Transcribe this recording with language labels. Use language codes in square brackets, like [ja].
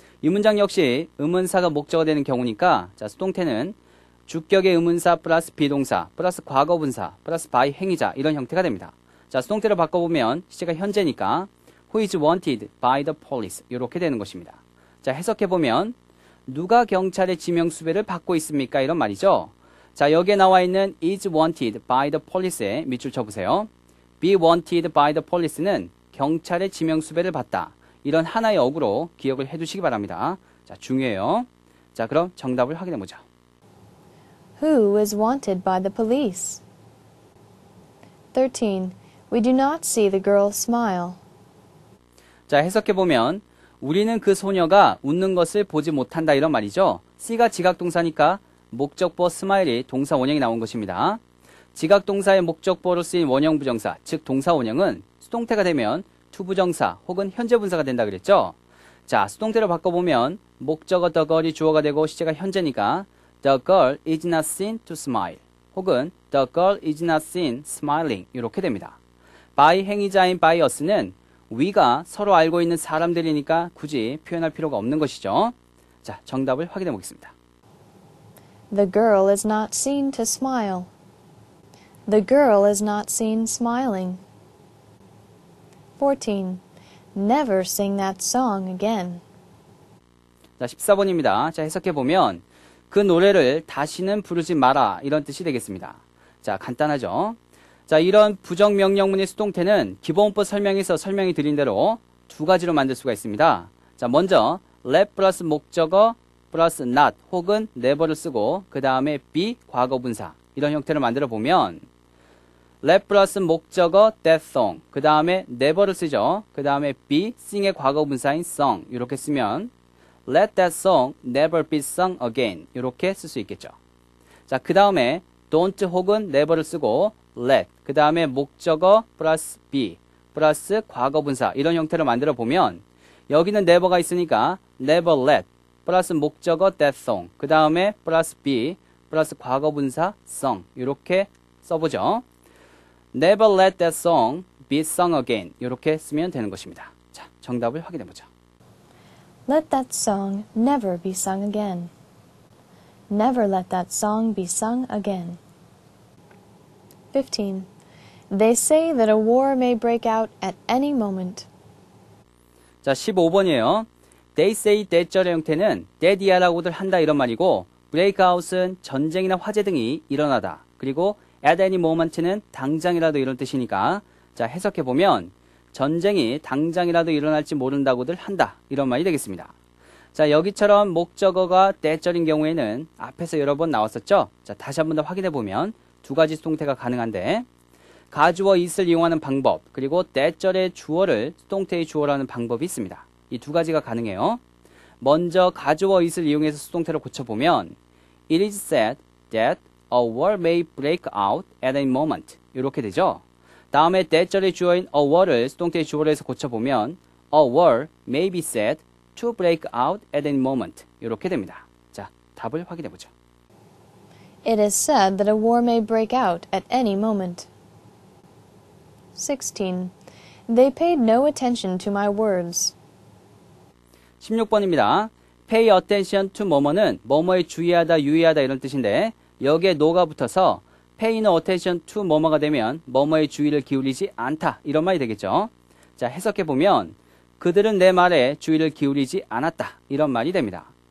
[ko] 이 문장 역시 의문사가 목적어 되는 경우니까 자, 수동태는 주격의 의문사 플러스 비동사 플러스 과거분사 플러스 by 행위자 이런 형태가 됩니다. 자, 수동태로 바꿔보면 시제가 현재니까 [en] who is wanted by the police [ko] 이렇게 되는 것입니다. 자, 해석해보면 누가 경찰의 지명수배를 받고 있습니까? 이런 말이죠. 자, 여기에 나와 있는 [en] is wanted by the police [ko] 에 밑줄 쳐보세요. [en] be wanted by the police [ko] 는 경찰의 지명수배를 받다. 이런 하나의 어구로 기억을 해두시기 바랍니다. 자, 중요해요. 자, 그럼 정답을 확인해보자. [en] Who is wanted by the police? 13. We do not see the girl smile. [ko] 자, 해석해보면 우리는 그 소녀가 웃는 것을 보지 못한다 이런 말이죠. C가 지각동사니까 목적보 스마일이 동사 원형이 나온 것입니다. 지각동사의 목적보로 쓰인 원형 부정사, 즉 동사 원형은 수동태가 되면 to 부정사 혹은 현재 분사가 된다 그랬죠. 자, 수동태로 바꿔보면 목적어 [en] the girl이 [ko] 주어가 되고 시제가 현재니까 [en] the girl is not seen to smile 혹은 the girl is not seen smiling [ko] 이렇게 됩니다. by 행위자인 by us는 we가 서로 알고 있는 사람들이니까 굳이 표현할 필요가 없는 것이죠. 자, 정답을 확인해 보겠습니다. [en] The girl is not seen to smile. The girl is not seen smiling. 14. Never sing that song again. [ko] 자, 14번입니다. 자, 해석해 보면 그 노래를 다시는 부르지 마라 이런 뜻이 되겠습니다. 자, 간단하죠? 자, 이런 부정명령문의 수동태는 기본법 설명에서 설명이 드린 대로 두 가지로 만들 수가 있습니다. 자, 먼저 let 플러스 목적어 플러스 not 혹은 never를 쓰고 그 다음에 be 과거분사 이런 형태로 만들어 보면 let 플러스 목적어 that song 그 다음에 never를 쓰죠. [en] 그 다음에 be sing의 과거분사인 song 이렇게 쓰면 let that song never be sung again [ko] 이렇게 쓸 수 있겠죠. 자, 그 다음에 don't 혹은 never를 쓰고 let 그 다음에 목적어 플러스 be 플러스 과거분사 이런 형태로 만들어 보면 여기는 never가 있으니까 never let 플러스 목적어 that song 그 다음에 플러스 be 플러스 과거분사 song 이렇게 써보죠. [en] Never let that song be sung again [ko] 이렇게 쓰면 되는 것입니다. 자, 정답을 확인해보죠. [en] Let that song never be sung again. Never let that song be sung again. 15. They say that a war may break out at any moment. [ko] 자, 15번이에요. They say that절의 형태는 that yeah라고들 한다 이런 말이고 break out은 전쟁이나 화재 등이 일어나다. 그리고 at any moment는 당장이라도 이런 뜻이니까 자, 해석해보면 전쟁이 당장이라도 일어날지 모른다고들 한다 이런 말이 되겠습니다. 자, 여기처럼 목적어가 that절인 경우에는 앞에서 여러 번 나왔었죠. 자, 다시 한번 더 확인해보면 두 가지 수동태가 가능한데 가주어 is을 이용하는 방법 그리고 that절의 주어를 수동태의 주어로 하는 방법이 있습니다. 이 두 가지가 가능해요. [en] 먼저 가주어 is을 [ko] 이용해서 수동태로 고쳐보면 [en] It is said that a war may break out at any moment 이렇게 되죠. 다음에 that절의 주어인 a war을 [ko] 수동태의 주어로 해서 고쳐보면 [en] a war may be said to break out at any moment 이렇게 됩니다. [ko] 자, 답을 확인해보죠. [en] It is said that a war may break out at any moment. 16. They paid no attention to my words. [ko] 16번입니다. Pay attention to 뭐뭐는 뭐뭐에 주의하다, 유의하다 이런 뜻인데 여기에 no가 붙어서 pay no attention to 뭐뭐가 되면 뭐뭐의 주의를 기울이지 않다 이런 말이 되겠죠. 자, 해석해보면 그들은 내 말에 주의를 기울이지 않았다 이런 말이 됩니다.